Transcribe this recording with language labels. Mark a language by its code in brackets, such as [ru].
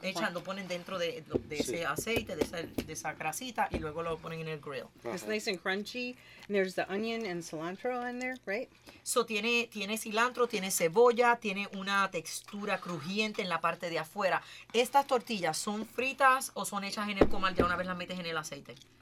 [es] echan, lo ponen dentro de ese aceite, de esa grasita, y luego lo ponen en el grill. [en] It's nice and crunchy, and there's the onion and cilantro in there, right? [es] So tiene cilantro, tiene cebolla, tiene una textura crujiente en la parte de afuera. ¿Estas tortillas son fritas o son hechas en el comal ya una vez las metes en el aceite?